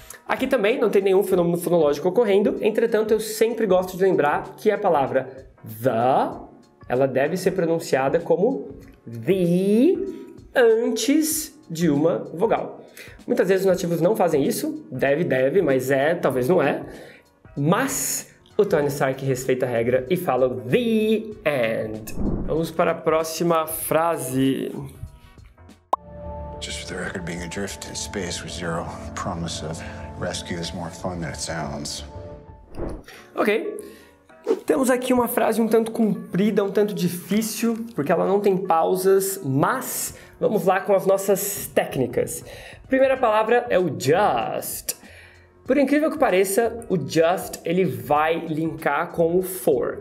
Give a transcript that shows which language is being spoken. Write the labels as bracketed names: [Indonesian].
[Portuguese] Aqui também não tem nenhum fenômeno fonológico ocorrendo, entretanto, eu sempre gosto de lembrar que a palavra the, ela deve ser pronunciada como the antes de uma vogal. Muitas vezes os nativos não fazem isso, deve, mas é, talvez não é, mas o Tony Stark respeita a regra e fala [English] the end. [Portuguese] Vamos para a próxima frase. [English] Just for the record, being adrift in space with zero promise of rescue is more fun than it sounds. [Portuguese] Ok. Temos aqui uma frase um tanto comprida, um tanto difícil, porque ela não tem pausas, mas vamos lá com as nossas técnicas. Primeira palavra é o just. Por incrível que pareça, o just, ele vai linkar com o for.